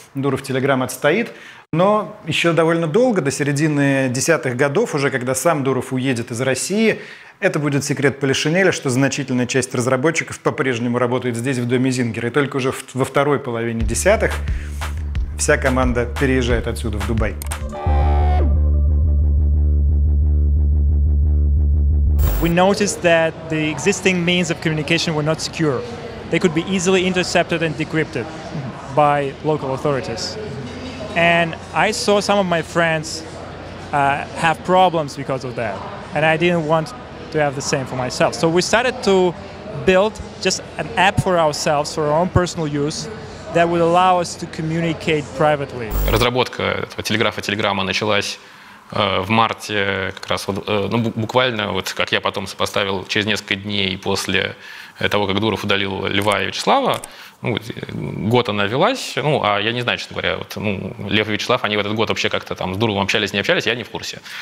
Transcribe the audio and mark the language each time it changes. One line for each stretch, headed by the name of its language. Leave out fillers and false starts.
Russian: Дуров Telegram отстоит. Но еще довольно долго, до середины 10-х годов, уже когда сам Дуров уедет из России, это будет секрет Полишинеля, что значительная часть разработчиков по-прежнему работает здесь, в доме Зингера. И только уже во второй половине 10-х вся команда переезжает отсюда, в Дубай.
English: We noticed that the existing means of communication were not secure. They could be easily intercepted and decrypted by local authorities. And I saw some of my friends have problems because of that. And I didn't want to have the same for myself. So we started to build just an app for ourselves, for our own personal use, that would allow us to communicate privately.
Russian: Разработка этого телеграфа Telegram началась в марте, как раз вот, ну, буквально, вот, как я потом сопоставил, через несколько дней после того, как Дуров удалил Льва и Вячеслава. Ну, год она велась, ну, а я не знаю, честно говоря, вот, ну, Лев и Вячеслав, они в этот год вообще как-то там с Дуровым общались, не общались, я не в курсе.